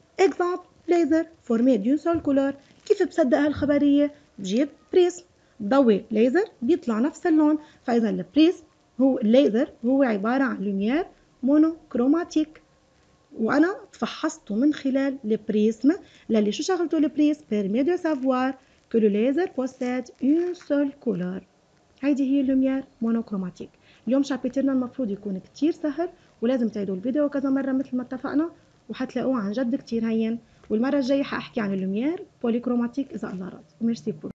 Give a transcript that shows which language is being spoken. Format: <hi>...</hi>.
<fr>اكزامبل ليزر فورمي دون سول كولور.</fr> <ar>كيف بصدق هالخبريه؟ بجيب بريزم ضوي ليزر بيطلع نفس اللون. فاذا البريزم هو الليزر هو عبارة عن لوميير مونوكروماتيك، وأنا فحصته من خلال البريزم. للي شو شغلته البريزم؟</ar> <fr>permet de savoir que le laser possède une seule couleur.</fr> <ar>هيدي هي لوميير مونوكروماتيك. اليوم شابيترنا المفروض يكون كتير سهل، ولازم تعيدوا الفيديو كذا مرة مثل ما اتفقنا، وحتلاقوه عن جد كتير هين. والمرة الجاية حأحكي عن اللوميير بوليكروماتيك إذا الله راد.</ar> <fr>ميرسي بو.</fr>